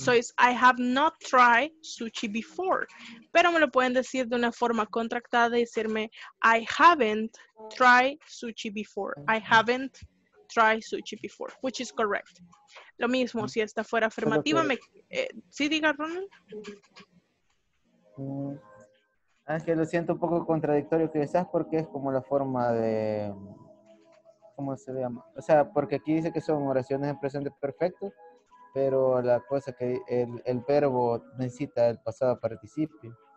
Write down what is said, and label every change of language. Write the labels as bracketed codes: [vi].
[en] So it's I have not tried sushi before. [es] Pero me lo pueden decir de una forma contractada y decirme [en] I haven't tried sushi before. I haven't try sushi before, which is correct. [es] Lo mismo, si esta fuera afirmativa, me, ¿sí diga, Ronald? Es que lo siento un poco contradictorio que estás, porque es como la forma de, ¿cómo se llama? O sea, porque aquí dice que son oraciones en presente perfecto, pero la cosa que el verbo necesita el pasado participio.